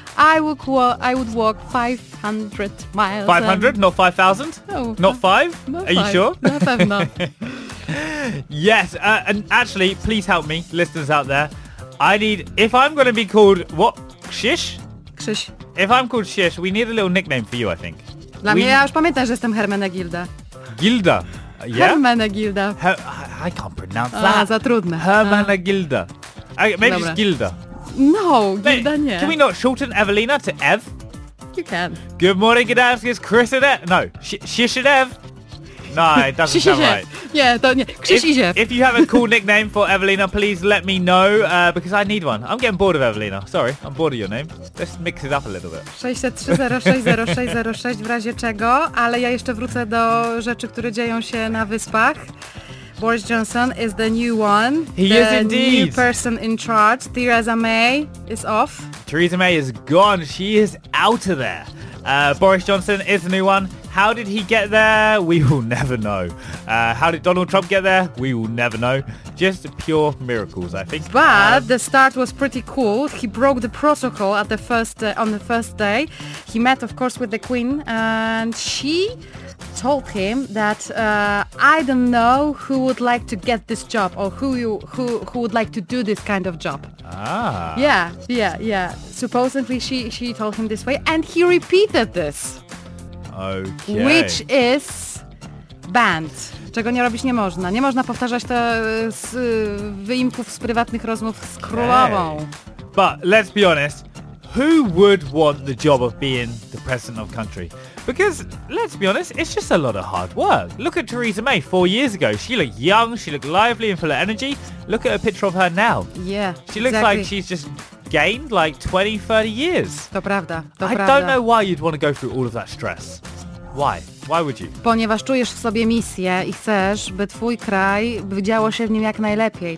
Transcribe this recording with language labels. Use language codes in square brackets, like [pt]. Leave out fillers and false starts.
[en] I would walk 500 miles. 500? Not 5,000? No. Not five? Not Are five. You sure? No. Yes. And actually, please help me, listeners out there. I need, if I'm going to be called, what? Krzysz? Krzysz. If I'm called Krzysz, we need a little nickname for you, I think. [pl] Dla mnie, ja już pamiętam, że jestem Hermenegilda. Gilda. [en] Yeah? Hermenegilda. I can't pronounce that. [pl] Za trudne. [en] Hermenegilda. Maybe Dobra. It's Gilda. [pl] No, Gilda nie. [en] Can we not shorten Evelina to Ev? You can. Good morning, Gdansk. It's Chris and Ev. No, Shish and Ev. No, it doesn't sound right. Yeah, don't you? Krzysz I Ziew. If you have a cool nickname for Evelina, please let me know, because I need one. I'm getting bored of Evelina. Sorry, I'm bored of your name. Let's mix it up a little bit. [pl] 603-06-06-06 w razie czego, ale ja jeszcze wrócę do rzeczy, które dzieją się na wyspach. [en] Boris Johnson is the new one. He is indeed. The new person in charge. Theresa May is off. Theresa May is gone. She is out of there. Boris Johnson is the new one. How did he get there? We will never know. How did Donald Trump get there? We will never know. Just pure miracles, I think. But the start was pretty cool. He broke the protocol at the first on the first day. He met, of course, with the Queen, and she told him that I don't know who would like to get this job or who would like to do this kind of job. Ah. Yeah. Supposedly she told him this way, and he repeated this. Okay. Which is banned. [pl] Czego nie robić nie można. Nie można powtarzać to z wyimków z prywatnych rozmów z królową. [en] But let's be honest, who would want the job of being the president of a country? Because, let's be honest, it's just a lot of hard work. Look at Theresa May 4 years ago. She looked young, she looked lively and full of energy. Look at a picture of her now. Yeah, she looks exactly. like she's just gained like 20, 30 years. [pl] To prawda, to [en] I [pl] prawda. [en] Don't know why you'd want to go through all of that stress. Why? Why would you? [pl] Ponieważ czujesz w sobie misję i chcesz, by twój kraj działo się w nim jak najlepiej.